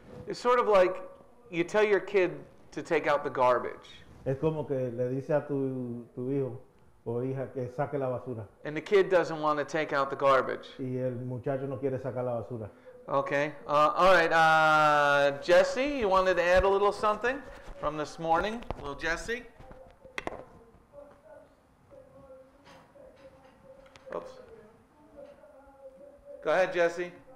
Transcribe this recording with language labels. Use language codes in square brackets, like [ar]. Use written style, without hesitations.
[en] It's sort of like you tell your kid to take out the garbage. [es] Es como que le dice a tu hijo o hija que saque la basura. [en] And the kid doesn't want to take out the garbage. [es] Y el muchacho no quiere sacar la basura. [en] Okay. All right, Jesse, you wanted to add a little something from this morning? Little Jesse? Oops. Go ahead, Jesse.